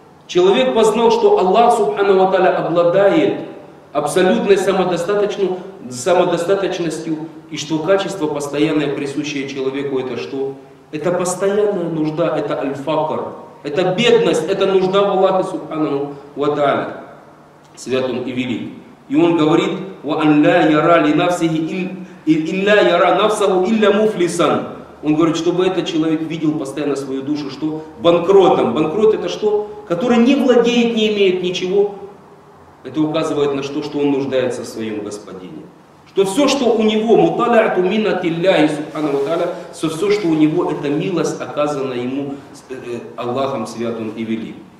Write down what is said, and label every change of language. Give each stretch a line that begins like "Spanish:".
Russian: Человек познал, что Аллах Субхана ва Тааля обладает абсолютной самодостаточностью, и что качество постоянное, присущее человеку, это что? Это постоянная нужда, это аль-факр, это бедность, это нужда в Аллахе Субхана ва Тааля, святом и велик. И он говорит,
Arabic: وَأَلَّا يَرَى لِنَفْسِهِ إِلَّا يَرَى نَفْسَهُ إِلَّا مُفْلِسًا.
Russian: Он говорит, чтобы этот человек видел постоянно свою душу, что? Банкротом. Банкрот это что? Который не владеет, не имеет ничего. Это указывает на что? Что он нуждается в своем господине. Что все, что у него, муталяту минатилляхи субханаху ва тааля, что все, что у него, это милость, оказана ему Аллахом святым и велик.